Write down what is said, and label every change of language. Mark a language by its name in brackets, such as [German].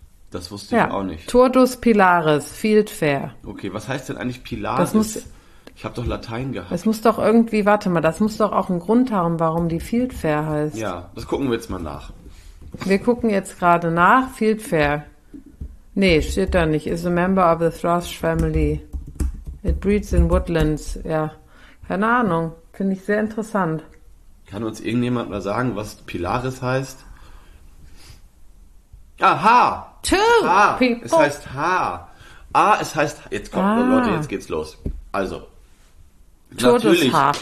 [German] Das wusste ich auch nicht. Turdus Pilaris, Field Fair. Okay, was heißt denn eigentlich Pilaris? Das muss, ich habe doch Latein gehabt. Das muss doch irgendwie, warte mal, das muss doch auch einen Grund haben, warum die Field Fair heißt. Ja, das gucken wir jetzt mal nach. Wir gucken jetzt gerade nach. Field Fair. Nee, steht da nicht. [English] Is a member of the Thrush family. It breeds in woodlands. [German] Ja, keine Ahnung. Finde ich sehr interessant. Kann uns irgendjemand mal sagen, was Pilaris heißt? Aha! [English] Two people. [German] Es heißt H. Ah, es heißt... Jetzt kommt, Leute, jetzt geht's los. Also, natürlich.